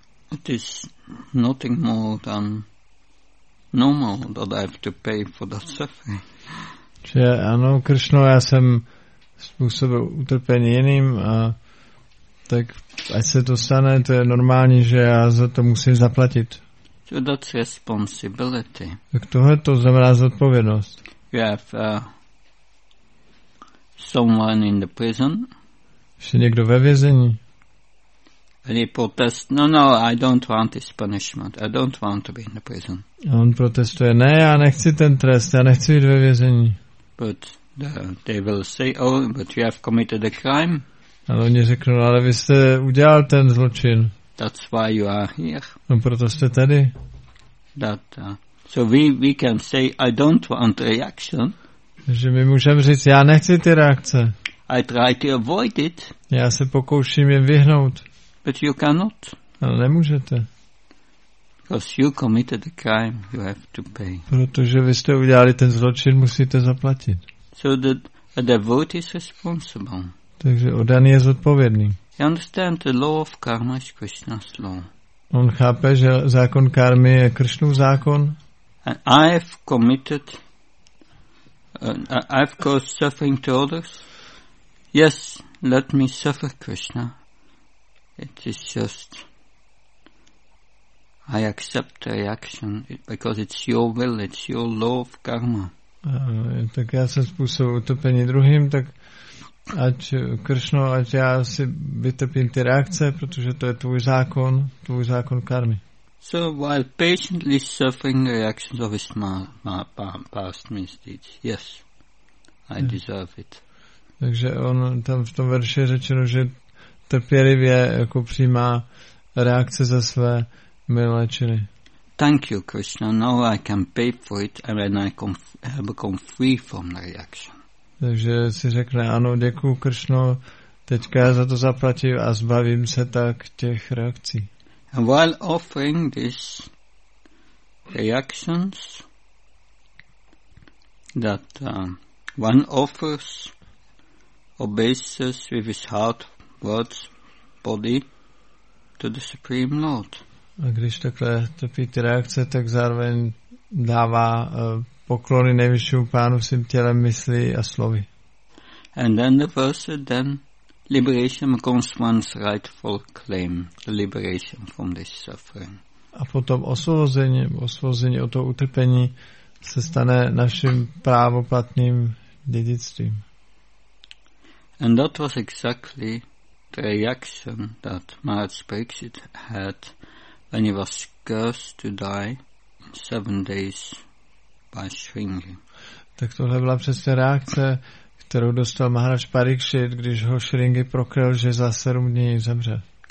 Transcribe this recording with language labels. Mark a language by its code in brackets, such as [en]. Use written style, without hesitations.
[en] It is nothing more than normal that I have to pay for that suffering. [cs] Že ano, Krishna, já jsem způsobil utrpení jiným, a tak ať se to stane, to je normální, že já za to musím zaplatit. [en] So that's responsibility. [cs] Tak tohle to znamená zodpovědnost. [en] You have someone in the prison. [cs] Jsi někdo ve vězení. [en] And he protests, no, I don't want this punishment. I don't want to be in the prison. [cs] A on protestuje, ne, já nechci ten trest, já nechci jít ve vězení. [en] But they will say, oh, but you have committed a crime. [cs] Ale oni řeknou, ale vy jste udělal ten zločin. [en] That's why you are here. [cs] No, proto jste tady. [en] So we can say I don't want reaction. [cs] Že my můžeme říct, já nechci ty reakce. [en] I try to avoid it. [cs] Já se pokouším jim vyhnout. [en] But you cannot. [cs] Ale nemůžete. [en] Because you committed a crime, you have to pay. [cs] Protože vy jste udělali ten zločin, musíte zaplatit. [en] So that a devotee is responsible. [cs] Takže oddaný je zodpovědný. [en] You understand the law of karma is Krishna's law. [cs] On chápe, že zákon karmy je Krishnův zákon. [en] And I've caused suffering to others. Yes, let me suffer, Krishna. It is just, I accept the reaction because it's your will, it's your law of karma. [cs] Tak já jsem způsobil utopení druhým, tak ať Krishna, ať já si vytrpím ty reakce, protože to je tvůj zákon karmy. [en] So while patiently suffering the reactions of his past misdeeds, yes, I deserve it. [cs] Takže on tam v tom verši je řečeno, že trpělivě jako přijímá reakce za své minulé činy. [en] Thank you, Krishna. Now I can pay for it and then I have become free from the reaction. [cs] Takže si řekne, ano, děkuju, Krishna, teďka za to zaplatím a zbavím se tak těch reakcí. [en] And while offering these reactions that one offers obeisance with his heart, words, body to the Supreme Lord. [cs] A když takhle trpí ty reakce, tak zároveň dává poklony nejvyššímu pánu svým tělem, myslí a slovy. [en] And then the verse, then liberation becomes one's rightful claim, the liberation from this suffering. [cs] A potom osvobození od toho utrpení se stane naším právoplatným dědictvím. [en] And that was exactly the reaction that Marx Brexit had when he was cursed to die in 7 days by Shringi. [cs] Tak tohle byla přesně reakce, kterou dostal Maharaj Parikshit, když ho Shringi prokryl, že za 7 dní zemře.